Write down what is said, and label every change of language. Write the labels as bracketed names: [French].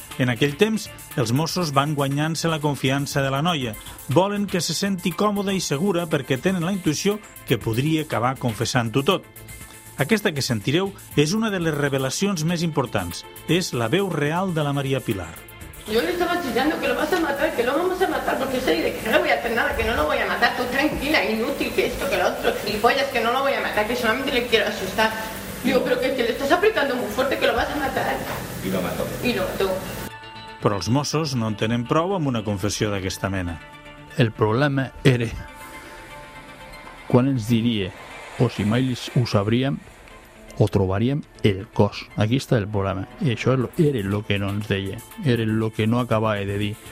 [Catalan] En aquell temps, els Mossos van guanyant-se la confiança de la noia. Volen que se senti còmoda i segura perquè tenen la intuïció que podria acabar confessant-ho tot. Aquesta que sentireu és una de les revelacions més importants. És la veu real de la Maria Pilar. [Spanish] Yo le estaba chillando que lo vas a matar, que lo vamos a matar, porque soy de que no voy a hacer nada, que no lo voy a matar, tú tranquila, inútil, que esto, que lo otro, gilipollas, que no lo voy a matar, que solamente le quiero asustar. Digo, pero que le estás apretando muy fuerte, que lo vas a matar. Y lo mató. Y lo mató. [Catalan] Però els Mossos no en tenen prou amb una confessió d'aquesta mena. El problema era quan ens diria, o si mai ho sabríem, o trobaríem el cos. Aquí està el problema. I això era el que no ens deia. Era el que no acabava de dir.